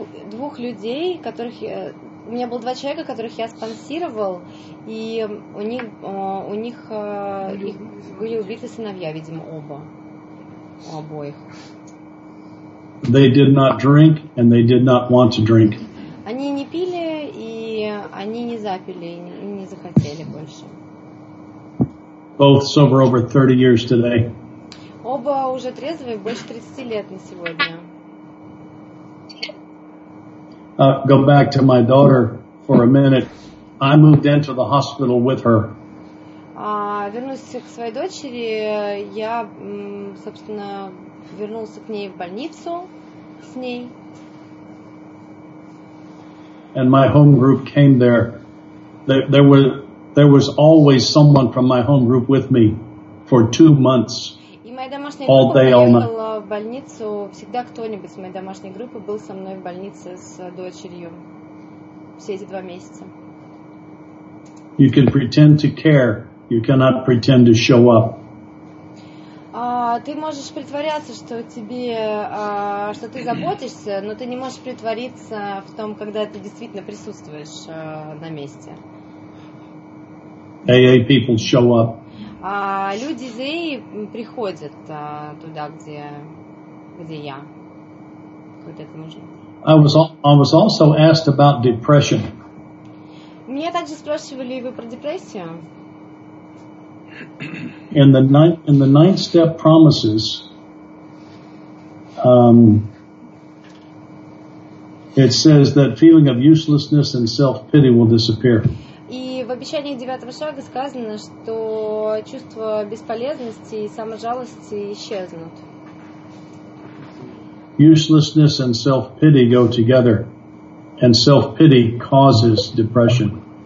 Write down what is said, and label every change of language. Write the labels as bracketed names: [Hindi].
[Russian] Двух людей, которых я... У меня было два человека, которых я спонсировал, и у них их были убиты сыновья, видимо, оба. У обоих. [English] They did not drink, and they did not want to drink. [Russian] Они не пили, и они не запили, и не захотели больше. [English] Both sober over 30 years today. [Russian] Оба уже трезвые больше 30 лет на сегодня. [English] Go back to my daughter for a minute. I moved into the hospital with her. [Russian] Вернусь к своей дочери. Я, собственно, вернулся к ней в больницу с ней. [English] And my home group came there. There was always someone from my home group with me for 2 months. [Russian] И моя домашняя группа приехала в больницу, всегда кто-нибудь с моей домашней группы был со мной в больнице с дочерью все эти два месяца. [English] You can pretend to care. You cannot pretend to show up. [Russian] Ты можешь притворяться, что тебе, что ты заботишься, но ты не можешь притвориться в том, когда ты действительно присутствуешь на месте. [English] AA people show up. [Russian] Люди из AA приходят туда, где я. Вот это нужно. [English] I was also asked about depression. [Russian] Меня также спрашивали, вы про депрессию? [English] In the ninth step promises, it says that feeling of uselessness and self-pity will disappear. [Russian] И в обещании девятого шага сказано, что чувство бесполезности и саможалости исчезнут. [English] Uselessness and self-pity go together, and self-pity causes depression.